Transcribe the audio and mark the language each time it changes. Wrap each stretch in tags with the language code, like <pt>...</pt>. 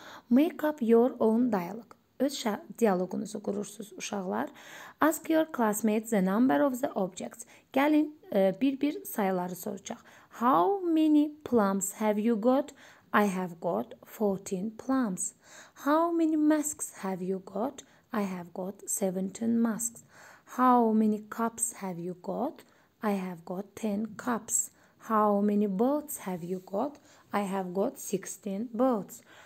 <en>Make up your own dialogue.</en> <az>Öz dialogunuzu qurursunuz uşaqlar.</az> <en>Ask your classmates the number of the objects.</en> <az>Gəlin, bir-bir sayıları soracaq.</az> <en>How many plums have you got? I have got 14 plums. How many masks have you got? I have got 17 masks. How many cups have you got? I have got 10 cups. How many boats have you got? I have got 16 boats.</en>